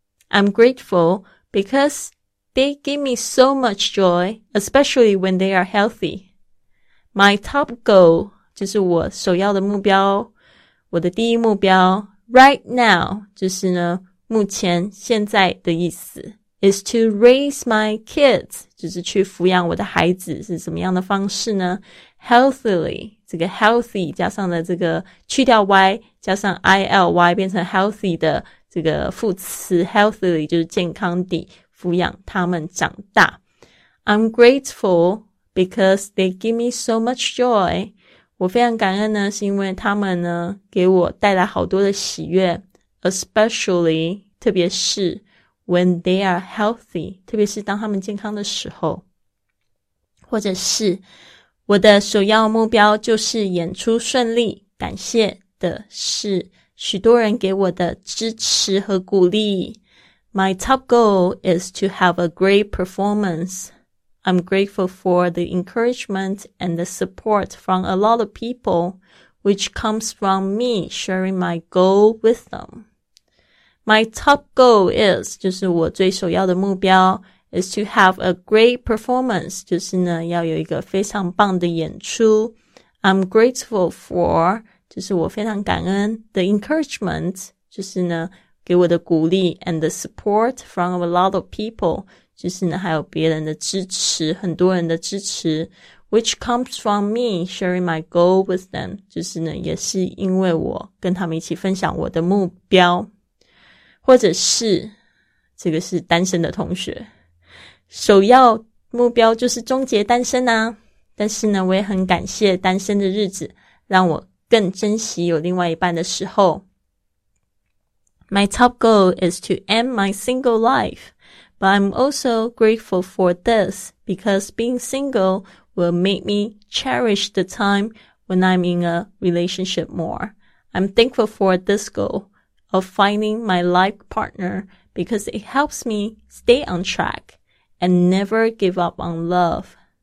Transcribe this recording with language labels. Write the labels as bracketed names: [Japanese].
[English] I'm grateful becauseThey give me so much joy, especially when they are healthy. My top goal, [Chinese] 就是我首要的目标，我的第一目标 [English] right now, [Chinese] 就是呢，目前现在的意思 [English] is to raise my kids, [Chinese] 就是去抚养我的孩子，是什么样的方式呢？ Healthily, 这个 healthy 加上了这个去掉 y, 加上 ily 变成 healthy 的这个副词 healthily, 就是健康的抚养他们长大。 [English] I'm grateful because they give me so much joy. [Chinese] 我非常感恩呢，是因为他们呢给我带来好多的喜悦。 Especially, 特别是 [English] when they are healthy, [Chinese] 特别是当他们健康的时候。或者是我的首要目标就是演出顺利，感谢的是许多人给我的支持和鼓励。 [English] My top goal is to have a great performance. I'm grateful for the encouragement and the support from a lot of people, which comes from me sharing my goal with them. My top goal is, [Chinese] 就是我最首要的目标, [English] is to have a great performance, [Chinese] 就是呢要有一个非常棒的演出。 [English] I'm grateful for, [Chinese] 就是我非常感恩, [English] the encouragement, [Chinese] 就是呢给我的鼓励 [English] and the support from a lot of people, [Chinese] 就是呢还有别人的支持，很多人的支持， [English] which comes from me sharing my goal with them, [Chinese] 就是呢也是因为我跟他们一起分享我的目标。或者是这个是单身的同学，首要目标就是终结单身啊，但是呢我也很感谢单身的日子让我更珍惜有另外一半的时候。 [English] My top goal is to end my single life, but I'm also grateful for this because being single will make me cherish the time when I'm in a relationship more. I'm thankful for this goal of finding my life partner because it helps me stay on track and never give up on love.